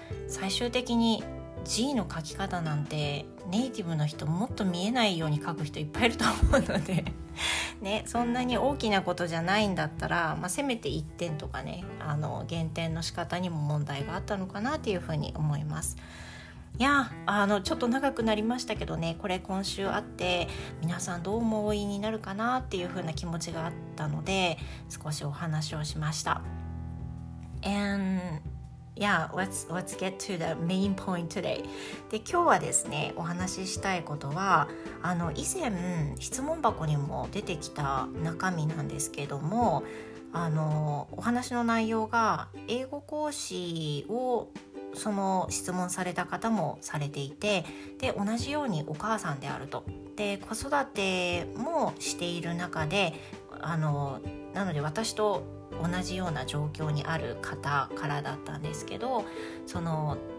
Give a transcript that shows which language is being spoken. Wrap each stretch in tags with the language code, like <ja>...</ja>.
<ja>最終的にG の書き方なんてネイティブの人もっと見えないように書く人いっぱいいると思うので、ね、そんなに大きなことじゃないんだったら、まあ、せめて1点とかね、あの減点の仕方にも問題があったのかなっていうふうに思います。いや、あのちょっと長くなりましたけどね、これ今週あって皆さんどう思いになるかなっていうふうな気持ちがあったので少しお話をしました。</ja> <en>AndYeah, let's get to the main point today.</en> <ja>で、今日はですね、お話ししたいことは、あの以前質問箱にも出てきた中身なんですけども、あのお話の内容が英語講師をその質問された方もされていて、で同じようにお母さんであると、で子育てもしている中で、あのなので私と同じような状況にある方からだったんですけど、その</ja>